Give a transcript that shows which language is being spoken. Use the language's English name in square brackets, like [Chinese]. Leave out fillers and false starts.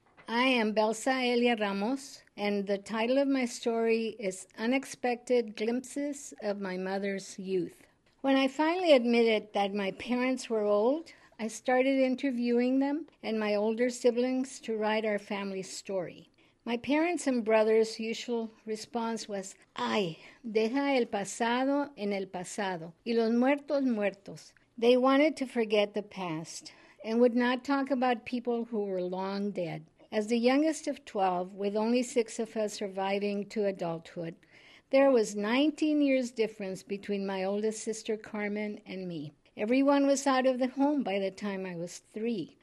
[English] I am Belsa Elia Ramos, and the title of my story is Unexpected Glimpses of My Mother's Youth. When I finally admitted that my parents were old, I started interviewing them and my older siblings to write our family story. My parents and brothers' usual response was, [Spanish] Ay, deja el pasado en el pasado, y los muertos muertos. [English] They wanted to forget the past and would not talk about people who were long dead. As the youngest of 12, with only six of us surviving to adulthood, there was 19 years difference between my oldest sister Carmen and me. Everyone was out of the home by the time I was 3.